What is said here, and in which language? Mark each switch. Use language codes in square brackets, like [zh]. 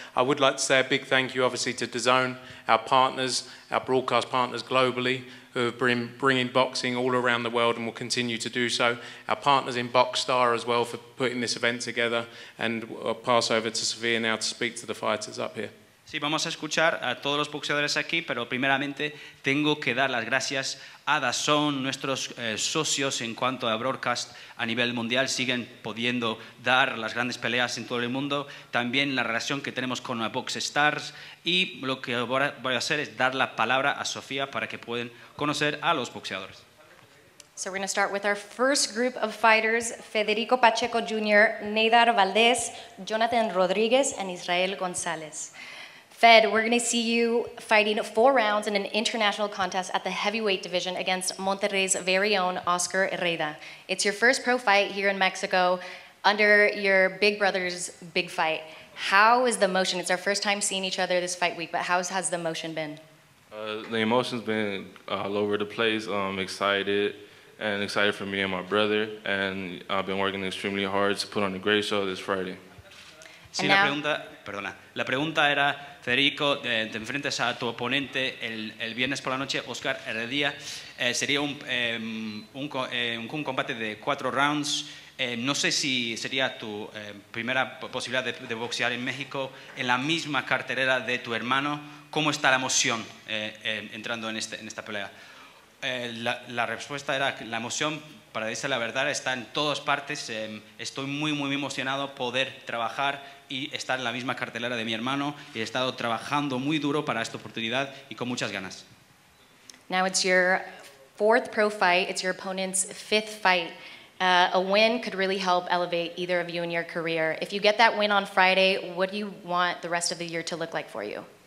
[en] I would like to say a big thank you, obviously, to DAZN, our partners, our broadcast partners globally, who have been bringing boxing all around the world and will continue to do so. Our partners in Boxstar as well for putting this event together. And I'll pass over to Sofia now to speak to the fighters up here. [es] Sí, vamos a escuchar a todos los boxeadores aquí, pero primeramente tengo que dar las gracias a DAZN, nuestros socios en cuanto a broadcast a nivel mundial, siguen pudiendo dar las grandes peleas en todo el mundo. También la relación que tenemos con Boxstars y lo que voy a hacer es dar la palabra a Sofía para que puedan conocer a los boxeadores. [en] So we're going to start with our first group of fighters, Federico Pacheco Jr., Neidar Valdez, Jonathan Rodriguez, and Israel González. Fed, we're going to see you fighting four rounds in an international contest at the heavyweight division against Monterrey's very own Oscar Herrera. It's your first pro fight here in Mexico under your big brother's big fight. How is the emotion? It's our first time seeing each other this fight week, but how has the emotion been? The emotion's been all over the place. I'm excited, and excited for me and my brother, and I've been working extremely hard to put on a great show this Friday. [es] Sí, la pregunta, perdona, la pregunta era, Federico, te enfrentas a tu oponente el viernes por la noche, Oscar Heredia. Sería un combate de cuatro rounds. No sé si sería tu primera posibilidad de boxear en México en la misma cartelera de tu hermano. ¿Cómo está la emoción entrando en esta pelea? La respuesta era que la emoción, para decir la verdad, está en todas partes. Estoy muy, muy emocionado poder trabajar y estar en la misma cartelera de mi hermano. He estado trabajando muy duro para esta oportunidad y con muchas ganas. [en] Now it's your fourth pro fight. It's your opponent's fifth fight. A win could really help elevate either of you in your career. If you get that win on Friday, what do you want the rest of the year to look like for you?